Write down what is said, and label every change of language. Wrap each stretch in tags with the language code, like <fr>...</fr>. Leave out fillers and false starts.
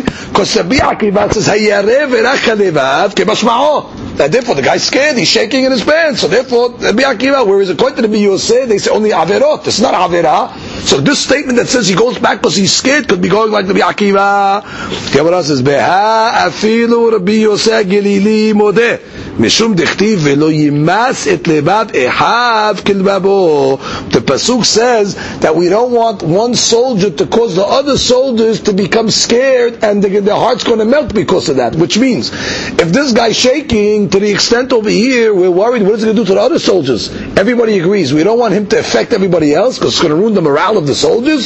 <en>Because the bi'akivai says,</en> <he>Hayarev erachalevav kebashma'o.</he> <en>Therefore, the guy's scared. He's shaking in his pants. So therefore, bi'akivai, where is it going to be Yosef? They say, only averot. It's not avera. So this statement that says he goes back because he's scared could be going like the bi'akivai. The Gemara says,</en> <arc>Beha afilu rabbi Yosef gilili modeh.</arc> <he>משום דכתיב ולא ימאס את לבב אחיו כלבבו.</he> <en>The pasuk says that we don't want one soldier to cause the other soldiers to become scared and their heart's going to melt because of that. Which means, if this guy's shaking to the extent over here, we're worried, what is he going to do to the other soldiers? Everybody agrees. We don't want him to affect everybody else because it's going to ruin the morale of the soldiers.</en>